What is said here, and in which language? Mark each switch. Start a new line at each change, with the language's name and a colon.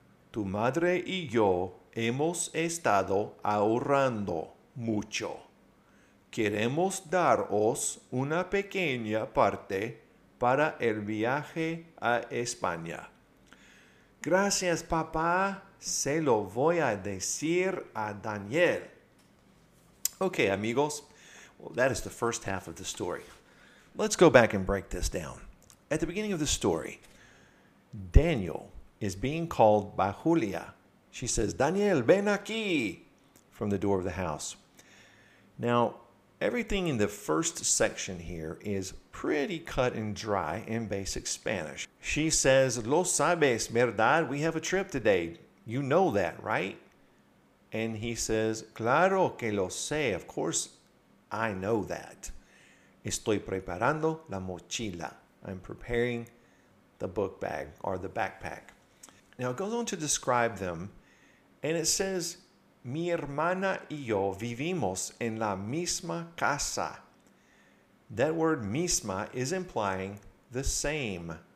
Spanish: Tu madre y yo hemos estado ahorrando mucho. Queremos daros una pequeña parte para el viaje a España. Gracias, papá. Se lo voy a decir a Daniel. Okay, amigos.
English: Well, that is the first half of the story. Let's go back and break this down. At the beginning of the story, Daniel is being called by Julia. She says,
Spanish: Daniel, ven aquí,
English: from the door of the house. Now, everything in the first section here is pretty cut and dry in basic Spanish. She says,
Spanish: lo sabes, ¿verdad?
English: We have a trip today. You know that, right? And he says,
Spanish: claro que lo sé.
English: Of course, I know that.
Spanish: Estoy preparando la mochila.
English: I'm preparing the book bag or the backpack. Now, it goes on to describe them, and it says,
Spanish: mi hermana y yo vivimos en la misma casa.
English: That word misma is implying the same.